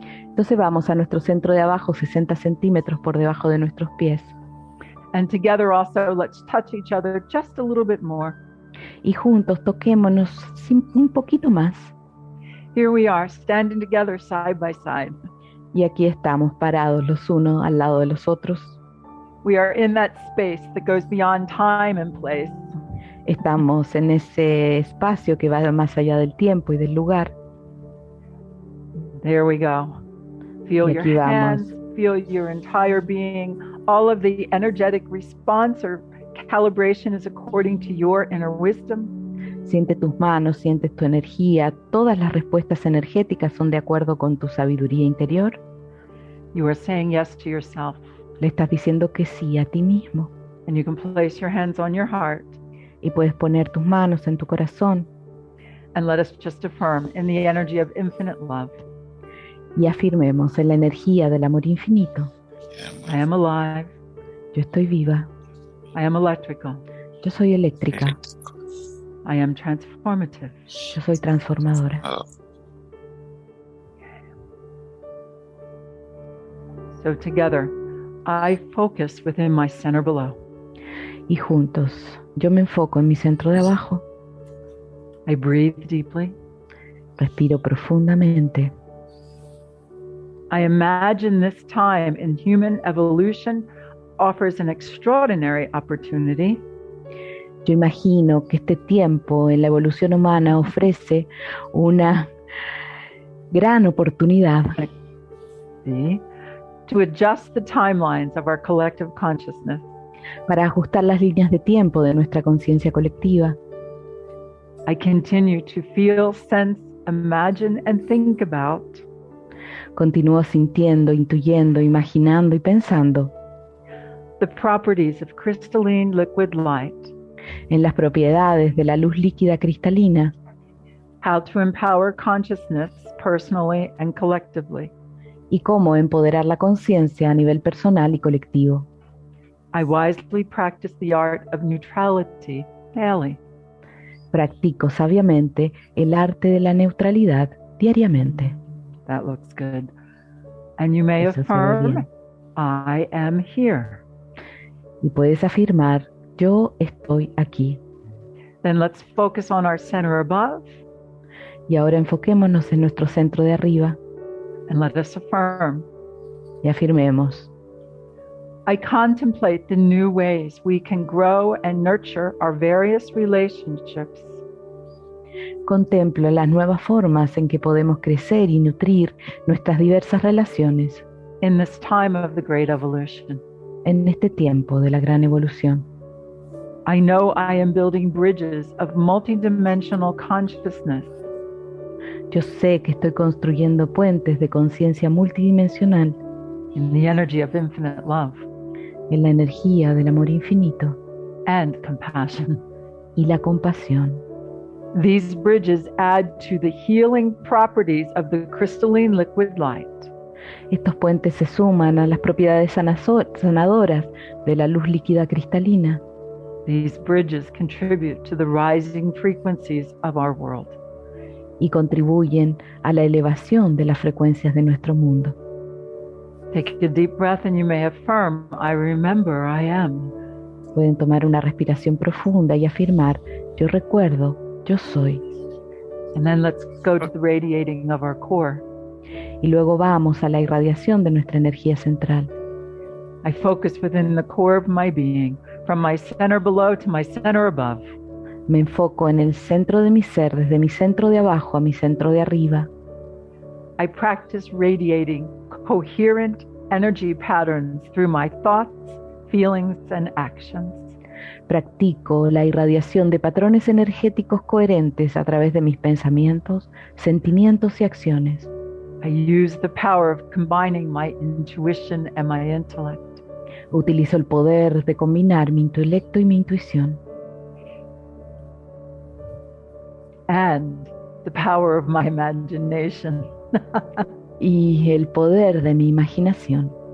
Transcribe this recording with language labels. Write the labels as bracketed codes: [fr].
[es] Entonces vamos a nuestro centro de abajo, 60 centímetros por debajo de nuestros pies. [en] And together also, let's touch each other just a little bit more. [es] Y juntos toquémonos un poquito más. [en] Here we are, standing together side by side. [es] Y aquí estamos parados los unos al lado de los otros. [en] We are in that space that goes beyond time and place. [es] Estamos en ese espacio que va más allá del tiempo y del lugar. [en] There we go. Feel your hands, feel your entire being. All of the energetic response or calibration is according to your inner wisdom. [es] Siente tus manos, sientes tu energía. Todas las respuestas energéticas son de acuerdo con tu sabiduría interior. [en] You are saying yes to yourself. [es] Le estás diciendo que sí a ti mismo. [en] And you can place your hands on your heart. [es] Y puedes poner tus manos en tu corazón. [en] And let us just affirm in the energy of infinite love. [es] Y afirmemos en la energía del amor infinito. [en] I am alive. [es] Yo estoy viva. [en] I am electrical. [es] Yo soy eléctrica. [en] I am transformative. [es] Yo soy transformadora. [en] So together, I focus within my center below. [es] Y juntos, yo me enfoco en mi centro de abajo. [en] I breathe deeply. [es] Respiro profundamente. [en] I imagine this time in human evolution offers an extraordinary opportunity. [es] Yo imagino que este tiempo en la evolución humana ofrece una gran oportunidad. Sí. [en] To adjust the timelines of our collective consciousness. [es] Para ajustar las líneas de tiempo de nuestra conciencia colectiva. [en] I continue to feel, sense, imagine, and think about. [es] Continúo sintiendo, intuyendo, imaginando y pensando. [en] The properties of crystalline liquid light. [es] En las propiedades de la luz líquida cristalina. [en] How to empower consciousness personally and collectively. [es] Y cómo empoderar la conciencia a nivel personal y colectivo. [en] I wisely practice the art of neutrality daily. [es] Practico sabiamente el arte de la neutralidad diariamente. [en] That looks good. And you may affirm, I am here. [es] Y puedes afirmar, yo estoy aquí. [en] Then let's focus on our center above. [es] Y ahora enfoquémonos en nuestro centro de arriba. [en] And let us affirm. [es] Y afirmemos. [en] I contemplate the new ways we can grow and nurture our various relationships. [es] Contemplo las nuevas formas en que podemos crecer y nutrir nuestras diversas relaciones [en] in this time of the great evolution. [es] En este tiempo de la gran evolución. [en] I know I am building bridges of multidimensional consciousness. [es] Yo sé que estoy construyendo puentes de conciencia multidimensional [en] in the energy of infinite love. [es] En la energía del amor infinito [en] and compassion. [es] Y la compasión. [en] These bridges add to the healing properties of the crystalline liquid light. [es] Estos puentes se suman a las propiedades sanadoras de la luz líquida cristalina. [en] These bridges contribute to the rising frequencies of our world. [es] Y contribuyen a la elevación de las frecuencias de nuestro mundo. [en] Take a deep breath and you may affirm, I remember I am. [es] Pueden tomar una respiración profunda y afirmar, yo recuerdo. Yo soy. [en] And then let's go to the radiating of our core. [es] Y luego vamos a la irradiación de nuestra energía central. [en] I focus within the core of my being, from my center below to my center above. [es] Me enfoco en el centro de mi ser, desde mi centro de abajo a mi centro de arriba. [en] I practice radiating coherent energy patterns through my thoughts, feelings, and actions. [es] Practico la irradiación de patrones energéticos coherentes a través de mis pensamientos, sentimientos y acciones. [en] I use the power of combining my intuition and my intellect. [es] Utilizo el poder de combinar mi intelecto y mi intuición. [en] And the power of my imagination. [es] Y el poder de mi imaginación.